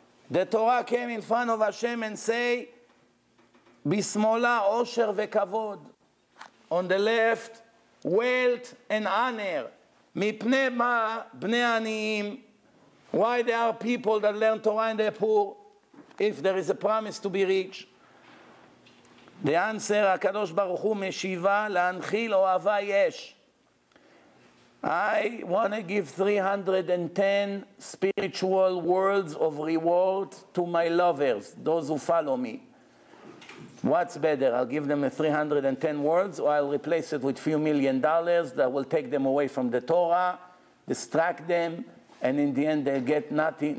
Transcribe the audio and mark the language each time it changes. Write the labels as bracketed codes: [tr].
[en] The Torah came in front of Hashem and say, [he] בשמאלה עושר וכבוד. [en] On the left, wealth and honor. [he] מפני מה בני עניים? [en] Why there are people that learn Torah and they're poor? If there is a promise to be rich. The answer, [he] הקדוש ברוך הוא משיבה להנחיל אוהבה יש. [en] I want to give 310 spiritual worlds of reward to my lovers, those who follow me. What's better? I'll give them 310 words, or I'll replace it with a few million dollars that will take them away from the Torah, distract them, and in the end they'll get nothing.